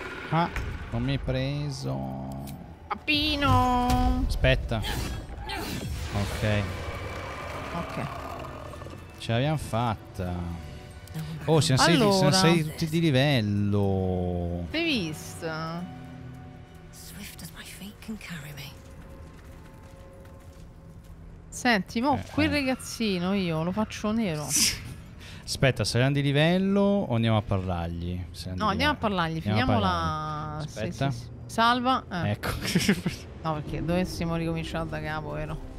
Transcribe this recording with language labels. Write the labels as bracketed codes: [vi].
[it] Ah, non mi hai preso. Papino. Aspetta. Ok. Ok. Ce l'abbiamo fatta. Oh, siamo sei, allora, siamo sei tutti di livello. L'hai vista? [en] Swift as my feet can carry me. [it] Senti, mo quel ragazzino io lo faccio nero. Aspetta, saliamo di livello o andiamo a parlargli? No, andiamo a parlargli, finiamola. Aspetta. Sì, sì, sì. Salva. Ecco. No, perché dovessimo ricominciare da capo, vero?